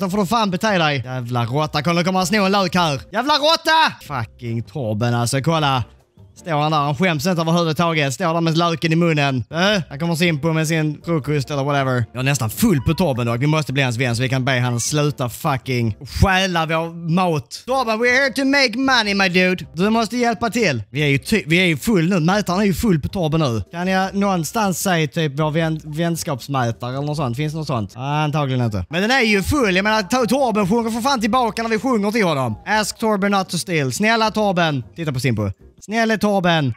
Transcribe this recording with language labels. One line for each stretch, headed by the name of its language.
Swedish: Då får du fan bete dig. Jävla råtta. Kolla, kommer han sno en lök här. Jävla råtta! Fucking Torben, alltså. Kolla. Står han där, han skäms inte överhuvudtaget. Står han med löken i munnen. Han kommer Simpu med sin frukost eller whatever. Jag är nästan full på Torben dock. Vi måste bli hans vän så vi kan be han sluta fucking stjäla vår mat.
English: Torben, we're here to make money, my dude.
Swedish: Du måste hjälpa till. Vi är ju full nu. Mätaren är ju full på Torben nu. Kan jag någonstans säga typ vår vänskapsmätare eller något sånt? Finns det något sånt? Antagligen inte. Men den är ju full. Jag menar, Torben sjunger för fan tillbaka när vi sjunger till honom.
English: Ask Torben not to steal.
Swedish: Snälla Torben. Titta på Simpu. Snälla Torben.